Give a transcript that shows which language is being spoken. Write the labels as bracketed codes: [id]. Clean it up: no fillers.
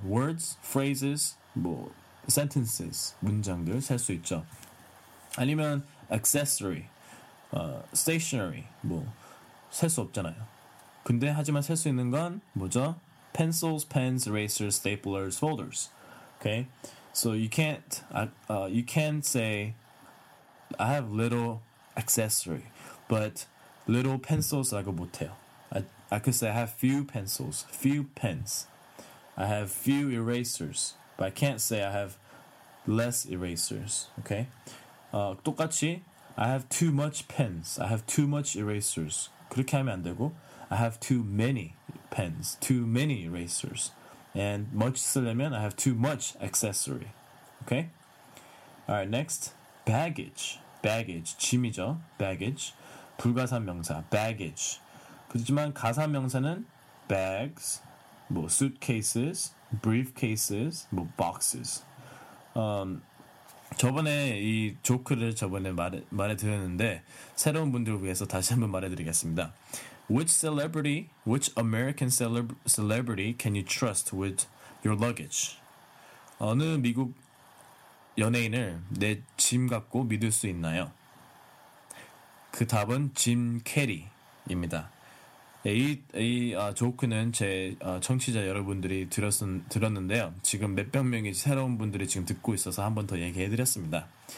[ko] Words, phrases, 뭐 sentences, 문장들 셀 수 있죠. 아니면 accessory, stationery, 뭐 셀 수 없잖아요. 근데 하지만 셀 수 있는 건 뭐죠? [en] Pencils, pens, erasers, staplers, folders. Okay? So you can't say I have little accessory, but little pencils [ko] 라고 못해요. [en] I could say I have few pencils, few pens. I have few erasers, but I can't say I have less erasers. Okay? 똑같이 I have too much pens. I have too much erasers. [ko] 그렇게 하면 안 되고 [en] I have too many pens, too many erasers. And much 쓰려면 I have too much accessory. Okay? Alright, next. Baggage. Baggage. 짐이죠. Baggage. 불가산 명사. Baggage. [ko] 그렇지만 가산 명사는 bags, 뭐 suitcases, briefcases, 뭐 boxes. 저번에 이 조크를 저번에 말해 드렸는데 새로운 분들을 위해서 다시 한번 말해 드리겠습니다. [en] Which celebrity, which American celebrity can you trust with your luggage? [ko] 어느 미국 연예인을 내 짐 갖고 믿을 수 있나요? 그 답은 짐 캐리입니다. 이 조크는 제 청취자 여러분들이 들었는데요. 지금 몇백 명이 새로운 분들이 지금 듣고 있어서 한 번 더 얘기해드렸습니다.